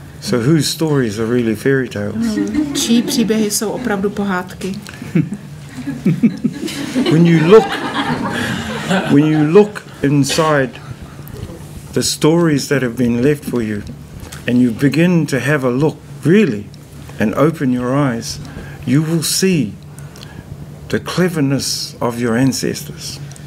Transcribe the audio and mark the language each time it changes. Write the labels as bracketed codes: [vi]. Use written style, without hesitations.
[en] So whose stories are really fairy tales? [cs] Čí příběhy jsou opravdu pohádky? [en] When you look inside the stories that have been left for you and you begin to have a look really and open your eyes, you will see the cleverness of your ancestors.